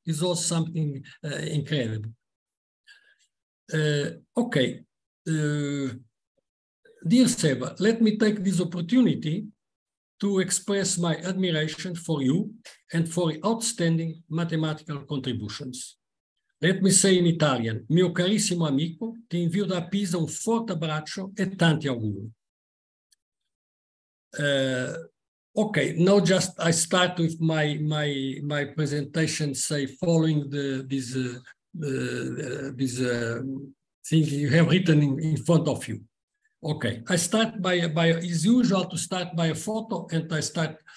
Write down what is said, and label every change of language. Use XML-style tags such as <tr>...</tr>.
<en>It was something incredible. Dear Seva, let me take this opportunity to express my admiration for you and for outstanding mathematical contributions. Let me say in Italian,</en> <it>mio carissimo amico, ti invio da Pisa un forte abbraccio e tanti auguri.</it> <en>Okay, now just I start with my presentation, say following things you have written in front of you. Okay, I start by as usual to start by a photo, and I start.</en>